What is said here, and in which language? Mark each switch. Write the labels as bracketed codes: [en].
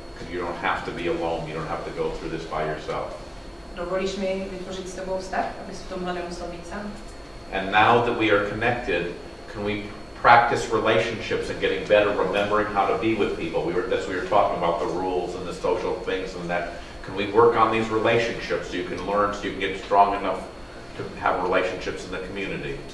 [en] You don't have to be alone. You don't have to go through this by yourself. [cs] Dovolíš mi vytvořit s tebou vztah, abys v tomhle nemusel být sám? [en] And now that we are connected, can we practice relationships and getting better remembering how to be with people. That's what we were talking about, the rules and the social things and that. Can we work on these relationships so you can learn, so you can get strong enough to have relationships in the community?